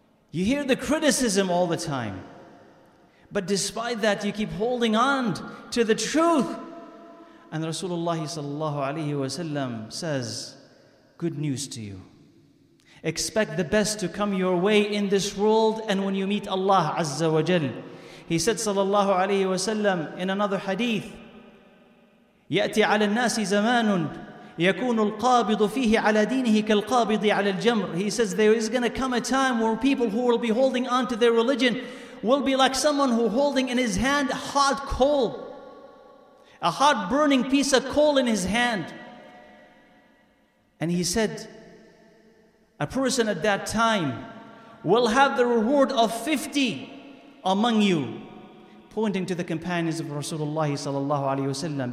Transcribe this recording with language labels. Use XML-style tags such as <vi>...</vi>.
<en>You hear the criticism all the time. But despite that, you keep holding on to the truth. And Rasulullah sallallahu alayhi wa sallam says, good news to you. Expect the best to come your way in this world and when you meet Allah Azza wa Jal. He said sallallahu alayhi wa sallam in another hadith,</en> <ar>يَأْتِ عَلَى النَّاسِ زَمَانٌ يَكُونُ الْقَابِضُ فِيهِ عَلَى دِينِهِ كَالْقَابِضِ عَلَى الْجَمْرِ.</ar> <en>He says there is going to come a time where people who will be holding on to their religion will be like someone who holding in his hand hot coal. A hot burning piece of coal in his hand. And he said, a person at that time will have the reward of 50 among you, pointing to the companions of Rasulullah sallallahu alayhi wasallam.</en>